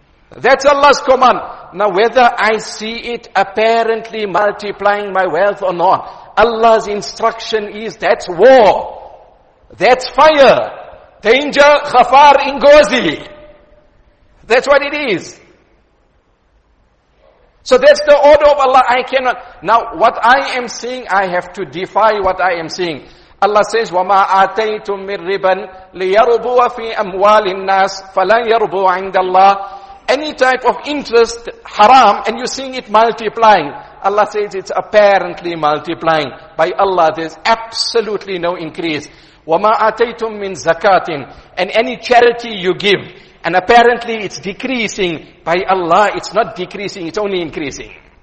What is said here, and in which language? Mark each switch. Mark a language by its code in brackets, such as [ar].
[en] That's Allah's command. Now whether I see it apparently multiplying my wealth or not, Allah's instruction is, that's war. That's fire. Danger, khafar, ingozi. That's what it is. So that's the order of Allah. I cannot. Now, what I am seeing, I have to defy what I am seeing. Allah says, [ar] وَمَا آتَيْتُم مِّن رِبًا لِيَرْبُوَ فِي أَمْوَالِ النَّاسِ فَلَا يَرْبُوَ عِنْدَ اللَّهِ. [en] Any type of interest, haram, and you're seeing it multiplying. Allah says it's apparently multiplying. By Allah, there's absolutely no increase. [ar] وَمَا آتَيْتُم مِّن زَكَاتٍ. [en] And any charity you give, and apparently it's decreasing, by Allah it's not decreasing, it's only increasing.